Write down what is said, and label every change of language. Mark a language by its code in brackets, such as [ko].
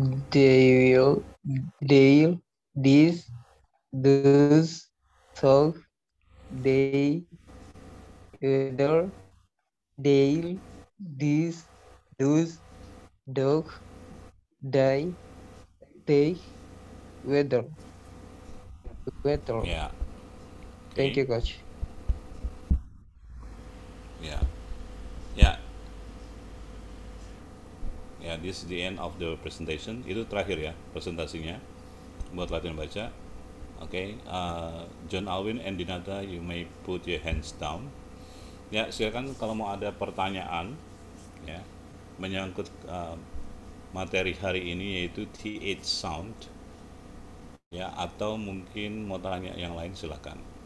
[en] They will, they'll, this, does, talk, they, either, they'll, this, does, dog, die, take, weather, weather. Yeah. Okay. Thank you, coach. Yeah. Yeah, this is the end of the presentation. [id] Itu terakhir ya presentasinya buat latihan baca. [en] Okay, John Alwin and Dinata, you may put your hands down. [id] Ya, silakan kalau mau ada pertanyaan ya menyangkut materi hari ini yaitu TH sound ya, atau mungkin mau tanya yang lain, silakan.